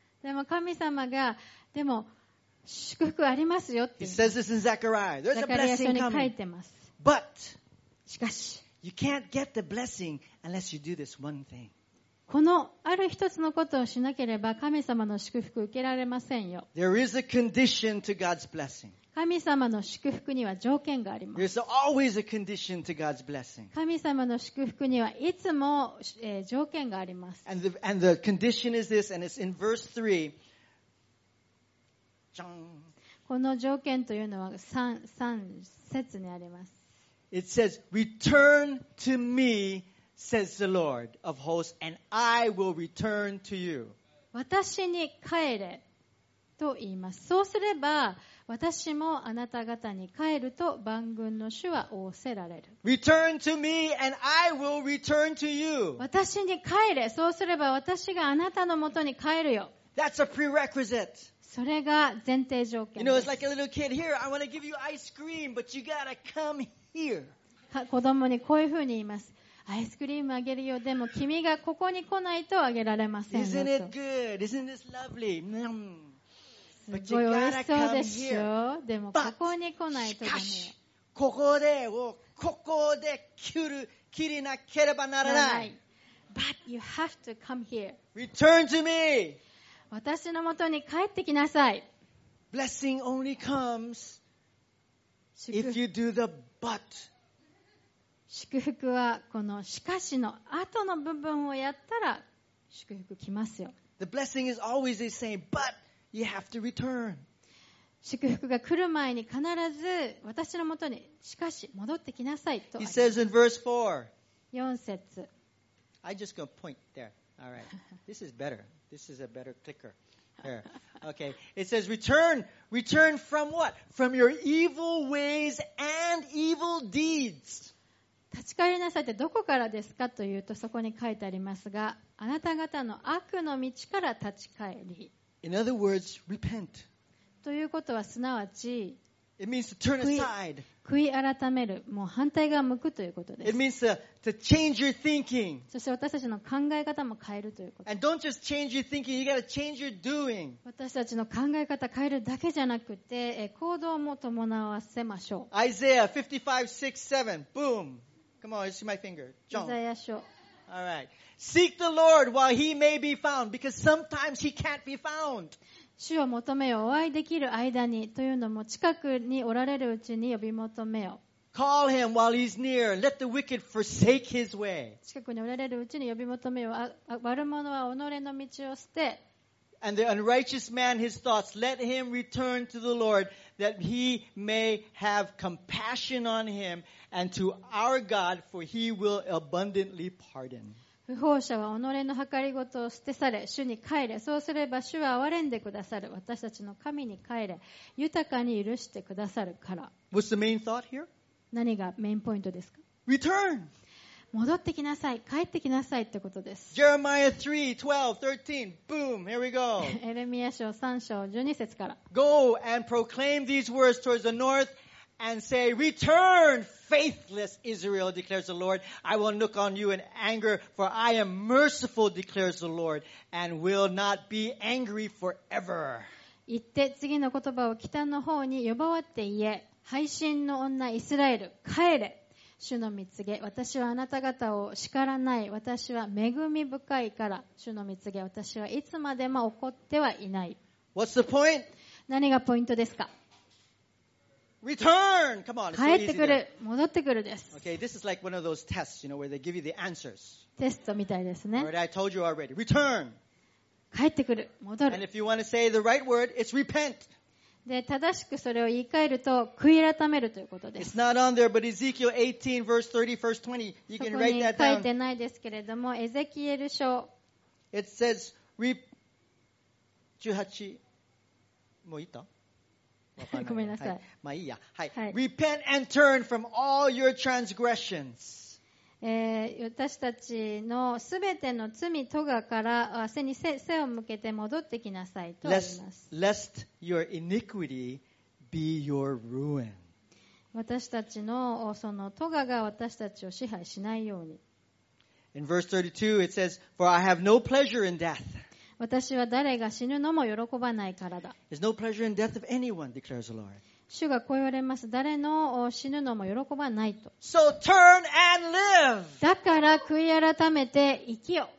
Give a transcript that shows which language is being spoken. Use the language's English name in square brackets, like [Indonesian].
[Japanese] でも神様がでも祝福ありますよって。 [English] He says this in Zechariah. There's a blessing coming. But [Japanese] しかし、 [English] you can't get the blessing unless you do this one thing. [Japanese] このある一つのことをしなければ神様の祝福受けられませんよ。 [English] There is a condition to God's blessing. [Japanese] 神様の祝福には条件があります。 [English] There's always a condition to God's blessing. [Japanese] 神様の祝福にはいつも条件があります。 [English] And the condition is this, and it's in verse 3. [Japanese] この条件というのは3節にあります。 [English] It says, Return to me. Says the Lord of hosts, and I will return to you. [Japanese] 私に帰れと言います。そうすれば私もあなた方に帰ると万軍の主は仰せられる。 [English] Return to me, and I will return to you. [Japanese] 私に帰れ。そうすれば私があなたのもとに帰るよ。 [English] That's a prerequisite. [Japanese] それが前提条件です。 [English] You know, it's like a little kid here. I want to give you ice cream, but you gotta come here. [Japanese] 子供にこういうふうに言います。アイスクリームあげるよ。でも君がここに来ないとあげられませんよ。 [English] Isn't it good? Isn't this lovely? [Japanese] すごい美味しそうでしょ。でもここに来ないとダメよ。ここで切りなければならない。 [English] But you have to come here. Return to me. [Japanese] 私の元に帰ってきなさい。 [English] Blessing only comes if you do the but. [Japanese] 祝福はこのしかしの後の部分をやったら祝福来ますよ。 [English] The blessing is always the same, but you have to return. [Japanese] 祝福が来る前に必ず私のもとにしかし戻ってきなさいと。 [English] He says in verse 4. [Japanese] 4節。 [English] I just gonna point there. All right. This is better. This is a better clicker. Okay. It says, return from what? From your evil ways and evil deeds. [Japanese] 立ち返りなさいってどこからですかというと、そこに書いてありますが、あなた方の悪の道から立ち返り。 [English] In other words, repent. [Japanese] ということはすなわち、 [English] It means to turn aside. [Japanese] 悔い改める、もう反対側向くということです。 [English] It means to change your thinking. [Japanese] そして私たちの考え方も変えるということ。 [English] And don't just change your thinking, you gotta change your doing. [Japanese] 私たちの考え方変えるだけじゃなくて、行動も伴わせましょう。 [English] Isaiah 55:6-7. Boom. Come on, see my finger. Jump. [Japanese] Isaiah 書。 [English] All right. Seek the Lord while he may be found, because sometimes he can't be found. [Japanese] 主を求めよ、お会いできる間にというのも、近くにおられるうちに呼び求めよ。 [English] Call him while he's near. Let the wicked forsake his way. [Japanese] 近くにおられるうちに呼び求めよ。悪者は己の道を捨て。 [English] And the unrighteous man his thoughts. Let him return to the Lord, that he may have compassion on him, and to our God, for he will abundantly pardon. [Japanese] 不法者は己の計りごとを捨て去れ、主に帰れ。そうすれば主は憐れんでくださる。私たちの神に帰れ、豊かに許してくださるから。 [English] What's the main thought here? [Japanese] 何がメインポイントですか? [English] Return. [Japanese] 戻ってきなさい、帰ってきなさいってことです。 [English] Jeremiah 3:12-13. Boom. Here we go. [Japanese] エレミヤ書3:12から。 [English] Go and proclaim these words towards the north. And say, Return, faithless Israel, declares the Lord. I will look on you in anger, for I am merciful, declares the Lord, and will not be angry forever. [Japanese] 言って次の言葉を北の方に呼ばわって言え、背信の女イスラエル、帰れ。主の見告げ、私はあなた方を叱らない。私は恵み深いから、主の見告げ、私はいつまでも怒ってはいない。 [English] What's the point? [Japanese] 何がポイントですか? [English] Return! Come on, [Japanese] 帰ってくる、戻ってくるです。 [English] Okay, this is like one of those tests, you know, where they give you the answers. [Japanese] テストみたいですね。 [English] Alright, I told you already. Return! [Japanese] 帰ってくる、戻る。 [English] And if you want to say the right word, it's repent. [Japanese] で、正しくそれを言い換えると、悔い改めるということです。 [English] It's not on there, but Ezekiel 18, verse 30, verse 20, you can write that down. [Japanese] そこに書いてないですけれども、エゼキエル書。 [English] It says, [Japanese] 18、もういった? ごめんなさい。はい、まあいいや、はい。はい。 [English] Repent and turn from all your transgressions. [Japanese] 私たちのすべての罪とがから背に背を向けて戻ってきなさいと言います。 [English] Lest your iniquity be your ruin. [Japanese] 私たちのそのとがが私たちを支配しないように。 [English] In verse 32, it says, "For I have no pleasure in death." [Japanese] 私は誰が死ぬのも喜ばないからだ。 [English] There's no pleasure in death of anyone, declares the Lord. [Japanese] 主がこう言われます。誰の死ぬのも喜ばないと。 [English] So turn and live! [Japanese] だから悔い改めて生きよ。